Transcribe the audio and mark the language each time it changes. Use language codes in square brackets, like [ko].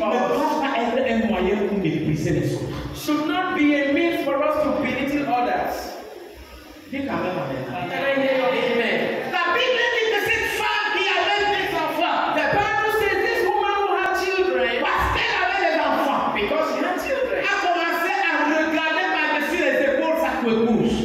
[fr] ne doivent pas être un moyen pour mépriser les autres. [en] Should not be a means for us to belittle others. [fr] Dis quand même amen. [en] Can I hear your amen? [fr] La Bible dit que cette femme qui avait des enfants. [en] The Bible says this woman who had children. [fr] Parce qu'elle avait des enfants. [en] Because she had children. [fr] A commencé à regarder par-dessus les épaules sa couche.